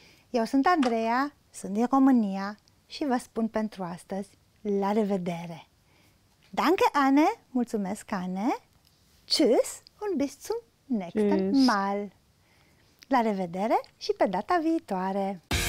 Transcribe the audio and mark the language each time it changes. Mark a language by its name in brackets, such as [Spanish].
[Romanian] Eu sunt Andrea, sunt din România și vă spun pentru astăzi la revedere. [German] Danke, Anne. [Romanian] Mulțumesc, Anne. [German] Tschüss und bis zum nächsten Tschüss. [Romanian] Mal. La revedere și pe data viitoare!